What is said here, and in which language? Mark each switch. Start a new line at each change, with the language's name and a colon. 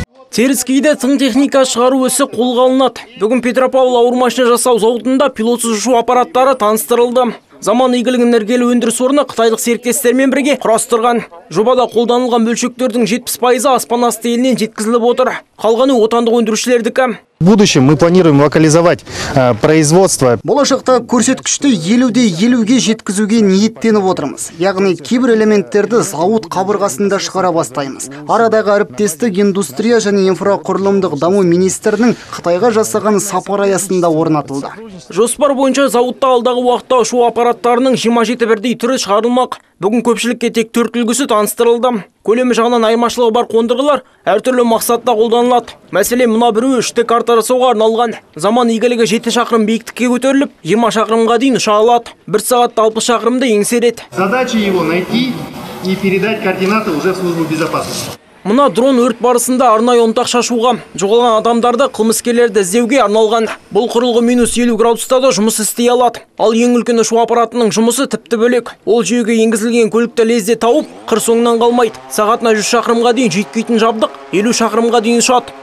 Kazakh: Теріскейде тың техника шығару ісі қолға алынады. Бүгін Петропавл ауыр машина жасау зауытында пилотсыз ұшу аппараттары таныстырылды. Заман игілігін іргелі өндіріс орны қытайлық серіктестермен бірге құрастырған. Жобада қолданылған бөлшектердің 70%-ы аспан асты елінен жеткізіліп отыр. Қалғаны отандық өндірушілердікі.
Russian: В будущем мы планируем локализовать производство.
Kazakh: Болашақта көрсеткішті 50-50-ге жеткізуге ниеттеніп отырмыз. Яғни кейбір элементтерді зауыт қабырғасында шығара бастаймыз. Арадағы әріптестік индустрия және инфрақұрылымдық даму министрінің Қытайға жасаған сапар аясында орнатылды. Жоспар бойынша зауытта алдағы уақытта ұшу аппараттарының 27 бірдей түрі шығарылмақ. Бүгін көпшілікке тек 4 үлгісі таныстырылды. Көлемі жағынан айырмашылығы бар қондырғылар әртүрлі мақсатта қолданылады. Мәселен, мына біреуі үшті картаға соға арналған. Заман игілігі 7 шақырым биіктікке көтеріліп, 20 шақырымға дейін ұша алады. 1 сағатта 60 шақырымды еңсереді.
Russian: Задача его найти и передать координаты уже в службу безопасности.
Kazakh: Мына дрон өрт барысында арнайы ұнтақ шашуға, жоғалған адамдарды қылмыскерлерді іздеуге арналған. Бұл құрылғы минус 50 градуста да жұмыс істей алады. Ал ең үлкен ұшу аппаратының жұмысы тіпті бөлек. Ол жүйеге енгізілген көлікті лезде тауып, қыр соңынан қалмайды. Сағатына 100 шақырымға дейін жеткізетін жабдық, 50 шақырымға дейін ұшады.